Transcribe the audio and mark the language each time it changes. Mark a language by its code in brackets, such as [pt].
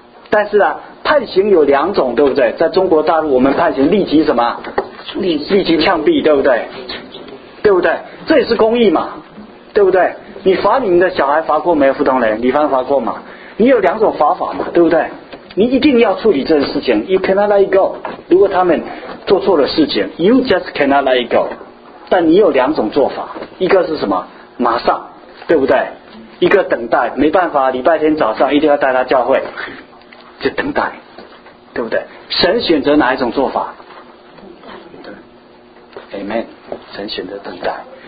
[zh] 但是啊，判刑有两种，对不对？在中国大陆我们判刑立即什么？立即枪毙，对不对？对不对？这也是公义嘛，对不对？你罚你们的小孩罚过没有？傅东雷，你犯罚过吗？你有两种罚法嘛，对不对？你一定要处理这件事情。 [en] You cannot let it go， [zh] 如果他们做错了事情， [en] You just cannot let it go。 [zh] 但你有两种做法，一个是什么？马上，对不对？一个等待，没办法，礼拜天早上一定要带他教会，就等待，对不对？神选择哪一种做法？ Amen。 神选择等待。